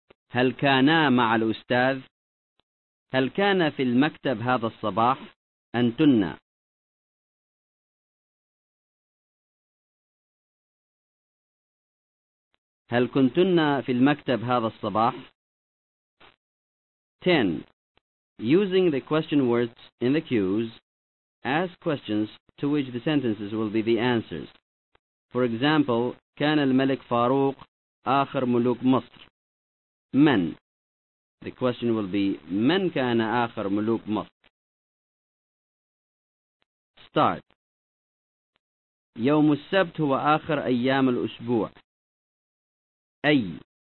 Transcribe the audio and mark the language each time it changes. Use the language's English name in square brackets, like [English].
[Arabic] هل كانا مع الأستاذ؟ هل كان في المكتب هذا الصباح؟ أنتن. هل كنتن في المكتب هذا الصباح؟ 10. [English] Using the question words in the cues, ask questions to which the sentences will be the answers. For example, [Arabic] كان الملك فاروق آخر ملوك مصر. من? [English] The question will be, [Arabic] من كان آخر ملوك مصر? [English] Start. [Arabic] يوم السبت هو آخر أيام الأسبوع. أي.